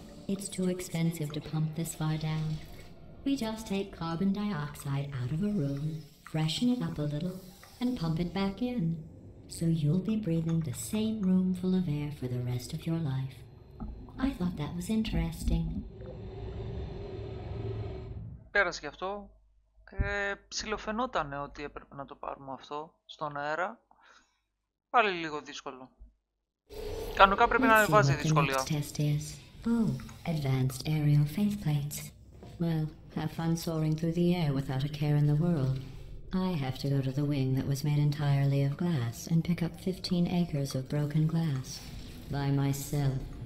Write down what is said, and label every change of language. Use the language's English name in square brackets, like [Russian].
[English] It's too expensive to pump this far down. We just take carbon dioxide out of a room, freshen it up a little, and pump it back in. So you'll be breathing the same room full of air for the rest of your life. I thought that was interesting. [Greek] Πέρασε και αυτό. Ψιλοφαινότανε ότι έπρεπε να το πάρουμε αυτό στον αέρα. Πάλι λίγο δύσκολο. Κανονικά πρέπει να ανεβάζει η δυσκολία. [English] Oh, advanced aerial faceplates. Well, have fun soaring through the air without a care in the world. I have to go to the wing that was made entirely of glass and pick up 15 acres of broken glass by myself.